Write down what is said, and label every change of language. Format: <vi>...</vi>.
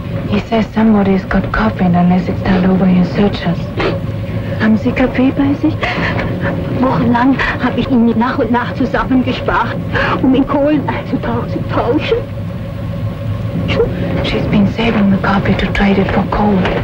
<en>He says somebody's got coffee and unless it's turned over, he'll search us.</en> <de>Haben Sie Kaffee bei sich? Wochenlang habe ich ihn nach und nach zusammengespart, um in Kohlen einzutauschen.</de> <en>She's been saving the coffee to trade it for coal.</en>